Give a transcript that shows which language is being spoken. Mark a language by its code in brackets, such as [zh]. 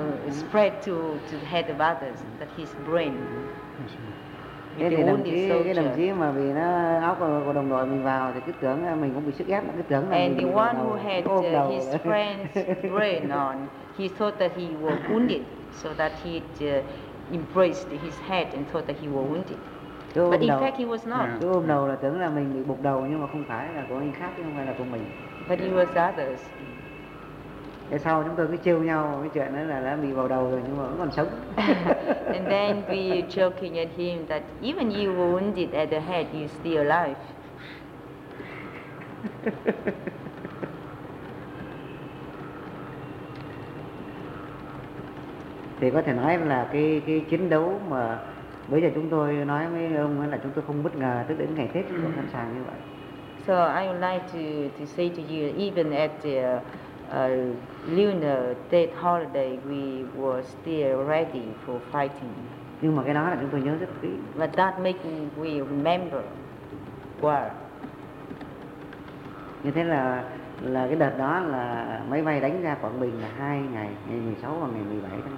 [en] Spread to the head of others, that his brain. [vi] Cái đồng chí mà vì nó óc của đồng đội mình vào thì cứ tưởng mình cũng bị sức ép, cứ tưởng là [en] and the one who had his friend's brain on, he thought that he was wounded, so that he embraced his head and thought that he was wounded. But in fact he was not. [vi] Cứ ôm đầu là tưởng là mình bị bục đầu nhưng mà không phải, là của anh khác chứ không phải là của mình. [en] But it was others. [vi] Thế sau chúng tôi cứ trêu nhau cái chuyện đó là đã bị vào đầu rồi nhưng mà vẫn còn sống. [en] And then we joking at him that even you wounded at the head, you still alive. [vi] Thì có thể nói là cái chiến đấu mà bây giờ chúng tôi nói với ông là chúng tôi không bất ngờ, tức đến ngày Tết chúng tôi sẵn sàng như vậy. [en] So I would like to say to you, even at the Lunar State Holiday, we were still ready for fighting. [vi] Nhưng mà cái đó là chúng tôi nhớ rất kỹ. [en] But that makes we remember war. [vi] Như thế là cái đợt đó là máy bay đánh ra Quảng Bình là 2 ngày, ngày 16 và ngày 17 tháng